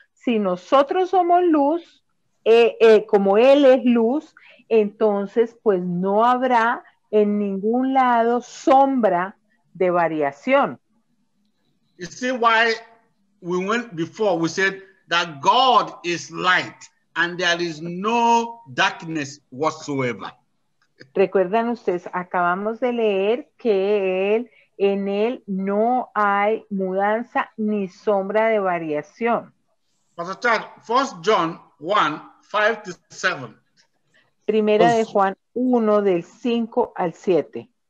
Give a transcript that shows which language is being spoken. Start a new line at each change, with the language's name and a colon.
Spanish: Si nosotros somos luz, como él es luz, entonces pues no habrá en ningún lado sombra de variación.
English: You see why we went before, we said that God is light and there is no darkness whatsoever.
Spanish: Recuerdan ustedes, acabamos de leer que él, en él no hay mudanza ni sombra de variación.
English: Pastor Chad, 1 John 1, 5 to 7.
Spanish: Primera de Juan 1, del 5 al 7.